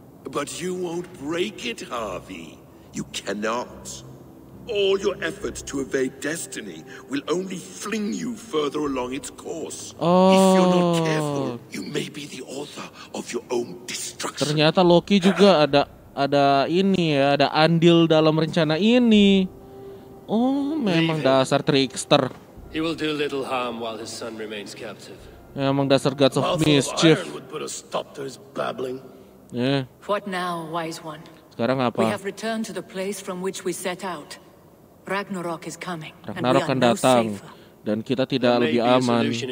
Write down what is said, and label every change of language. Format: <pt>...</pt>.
<en>But you won't break it, Harvey. You cannot. All your efforts to evade destiny will only fling you further along its course. Oh. If you're not careful, you may be the author of your own destruction.</en> <id>Ternyata Loki juga ada ini ya, ada andil dalam rencana ini. Oh, memang dasar trickster.</id> <en>He will do little harm while his son remains captive.</en> <id>Memang dasar</id> <en>gods of mischief. Would put a stop to his babbling. Yeah. What now, wise one?</en> <id>Sekarang apa?</id> <en>We have returned to the place from which we set out. Ragnarok is coming.</en> <id>Ragnarok akan datang dan kita tidak lebih aman.</id>